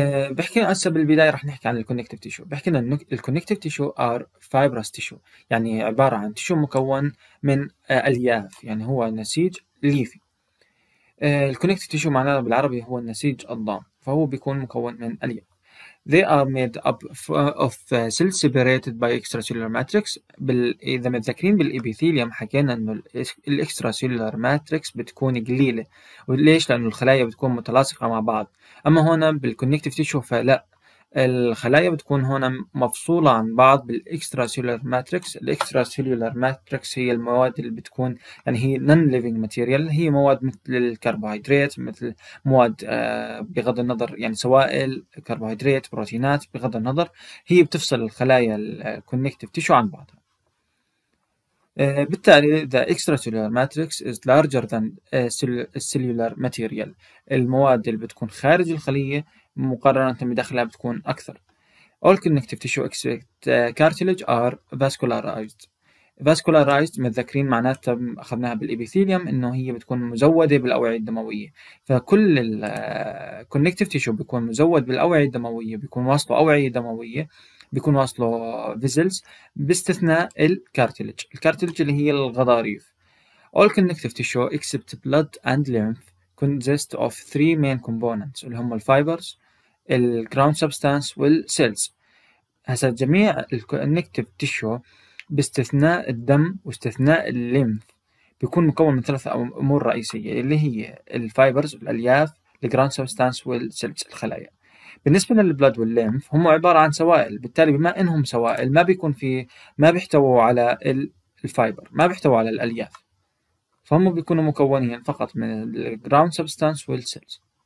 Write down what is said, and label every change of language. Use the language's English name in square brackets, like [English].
[Arabic] بحكي هسه بالبدايه راح نحكي عن الكونكتيف تيشو. بحكي لنا الكونكتيف تيشو ار فايبرس تيشو، يعني عباره عن تيشو مكون من الياف، يعني هو نسيج ليفي. الكونكتيف تيشو معناه بالعربي هو النسيج الضام، فهو بيكون مكون من الياف. [English] They are made up of cells separated by extracellular matrix. [Arabic] إذا متذكرين بالإبيثيليوم حكينا إنه الإكستراسيلولار ماتريكس بتكون قليلة، وليش؟ لأنه الخلايا بتكون متلاصقة مع بعض. أما هنا بالكونكتيف تيشو فلا، الخلايا بتكون هنا مفصولة عن بعض بالإكستراسيلولار ماتريكس. الإكستراسيلولار ماتريكس هي المواد اللي بتكون، يعني هي نون ليفينج ماتيريال، هي مواد مثل الكربوهيدرات، مثل مواد بغض النظر، يعني سوائل، كربوهيدرات، بروتينات، بغض النظر هي بتفصل الخلايا الكونكتيف تيشو عن بعضها. بالتالي [English] the extracellular matrix is larger than cellular material، [Arabic] المواد اللي بتكون خارج الخلية مقارنة بداخلها بتكون أكثر. [English] All connective tissue except cartilage are vascularized. [Arabic] Vascularized متذكرين معناتها أخذناها بالإبيثيليوم إنه هي بتكون مزودة بالأوعية الدموية، فكل ال connective tissue بيكون مزود بالأوعية الدموية، بيكون واصله أوعية دموية، بيكون واصله فيزلز، باستثناء الكارتيلج. الكارتيلج اللي هي الغضاريف. [English] All connective tissue except blood and lymph consist of three main components [Arabic] اللي هم الفايبرز، الجراوند سبستانس، والسيلز. هسه جميع الكونكتيف تيشو باستثناء الدم واستثناء الليمف بيكون مكون من ثلاث امور رئيسيه اللي هي الفايبرز، الالياف، الجراوند سبستانس، والسيلز، الخلايا. بالنسبة للبلد والليمف هم عبارة عن سوائل، بالتالي بما انهم سوائل ما بيكون في، ما بيحتووا على الفايبر، ما بيحتووا على الالياف، فهم بيكونوا مكونين فقط من الجراوند سبستانس والسيلز.